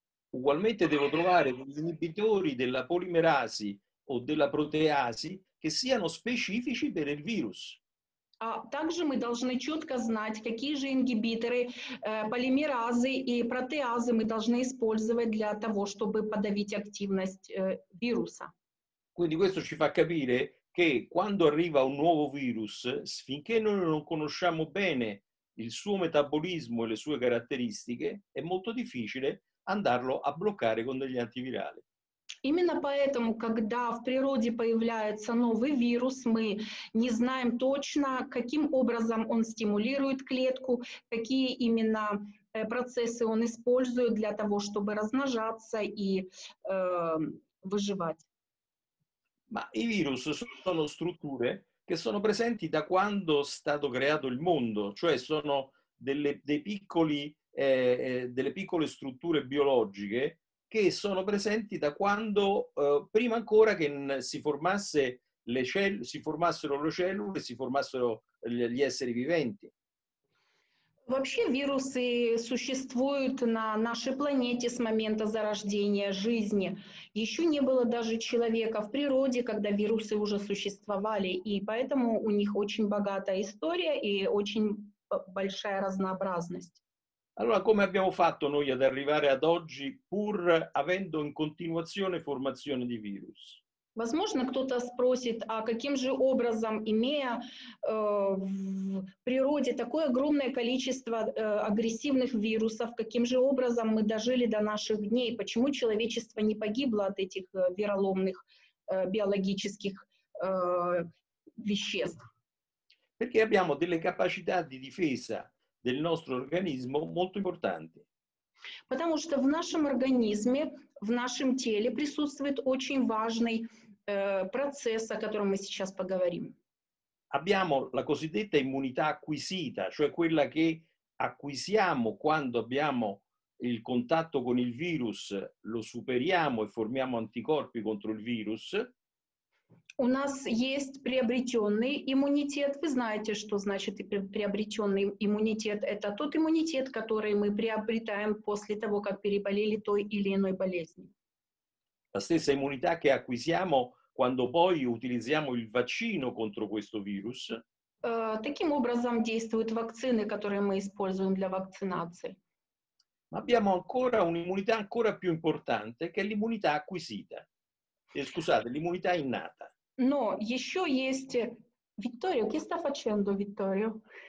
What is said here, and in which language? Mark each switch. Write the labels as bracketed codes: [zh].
[it] Ugualmente devo trovare degli inibitori della polimerasi o della proteasi che siano specifici per il virus. [ru] А также мы должны четко знать, какие же ингибиторы полимеразы и протеазы мы должны использовать для того, чтобы подавить активность вируса. [it] Quindi questo ci fa capire che quando arriva un nuovo virus, finché noi non conosciamo bene il suo metabolismo e le sue caratteristiche, è molto difficile andarlo a bloccare con degli antivirali. [ru] Именно поэтому, когда в природе появляется новый вирус, мы не знаем точно, каким образом он стимулирует клетку, какие именно процессы он использует для того, чтобы размножаться и выживать. [it] Ma i virus sono strutture che sono presenti da quando è stato creato il mondo, cioè sono delle piccole strutture biologiche che sono presenti da quando, prima ancora che si formassero le cellule, si formassero gli esseri viventi. [ru] Вообще вирусы существуют на нашей планете с момента зарождения жизни. Еще не было даже человека в природе, когда вирусы уже существовали, и поэтому у них очень богатая история и очень большая разнообразность. [it] Allora, come abbiamo fatto noi ad arrivare ad oggi pur avendo in continuazione formazione di virus? [ru] Возможно, кто-то спросит, а каким же образом, имея в природе такое огромное количество агрессивных вирусов, каким же образом мы дожили до наших дней? Почему человечество не погибло от этих вероломных биологических веществ? [it] Perché abbiamo delle capacità di difesa del nostro organismo molto importante. [ru] Потому что в нашем организме, в нашем теле присутствует очень важный процесс, о котором мы сейчас поговорим. [it] Abbiamo la cosiddetta immunità acquisita, cioè quella che acquisiamo quando abbiamo il contatto con il virus, lo superiamo e formiamo anticorpi contro il virus. [ru] У нас есть приобретенный иммунитет. Вы знаете, что значит приобретенный иммунитет? Это тот иммунитет, который мы приобретаем после того, как переболели той или иной болезнью. [it] La stessa immunità che acquisiamo quando poi utilizziamo il vaccino contro questo virus. [ru] Таким образом действуют вакцины, которые мы используем для вакцинации. [it] Ma abbiamo ancora un'immunità ancora più importante, che è l'immunità acquisita. Scusate, l'immunità innata. [ru] Но еще есть Витторио. [it] Che sta facendo Витторио?